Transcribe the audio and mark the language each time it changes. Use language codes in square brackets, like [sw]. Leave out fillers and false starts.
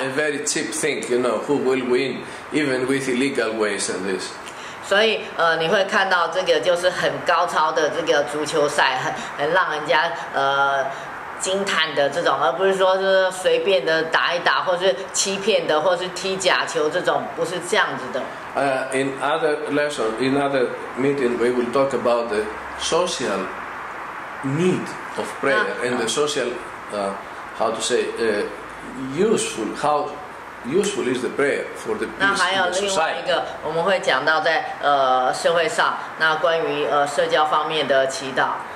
[en] A very cheap thing, you know, who will win even with illegal ways and this. [zh] 所以你会看到这个就是很高超的这个足球赛，很让人家惊叹的这种，而不是说是随便的打一打，或是欺骗的，或是踢假球这种，不是这样子的。 [en] In other lesson, in other meeting, we will talk about the social need of prayer and the social, how to say, useful, how useful is the prayer for the peace in society? [zh] 那还有另外一个，我们会讲到在社会上，那关于社交方面的祈祷。